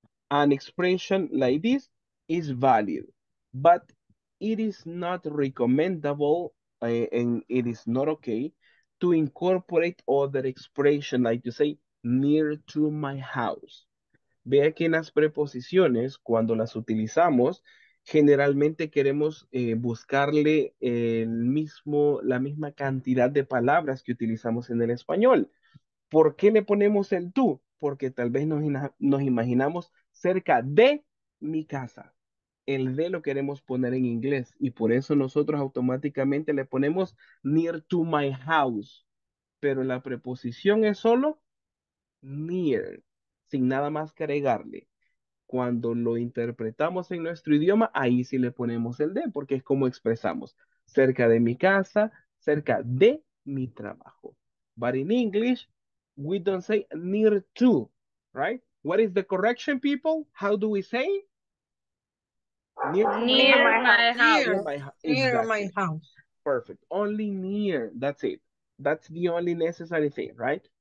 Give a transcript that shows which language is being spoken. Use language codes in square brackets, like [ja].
[en] An expression like this is valid, but it is not recommendable and it is not okay to incorporate other expression, like you say, near to my house. [es] Vea que en las preposiciones, cuando las utilizamos, generalmente queremos buscarle el mismo, la misma cantidad de palabras que utilizamos en el español. ¿Por qué le ponemos el tú? Porque tal vez nos imaginamos cerca de mi casa. El de lo queremos poner en inglés y por eso nosotros automáticamente le ponemos [en] near to my house. [es] Pero la preposición es solo near, sin nada más que agregarle. Cuando lo interpretamos en nuestro idioma, ahí sí le ponemos el de, porque es como expresamos, cerca de mi casa, cerca de mi trabajo. [en] But in English, we don't say near to, right? What is the correction, people? How do we say? Near my house. Perfect. Only near, that's it. That's the only necessary thing, right?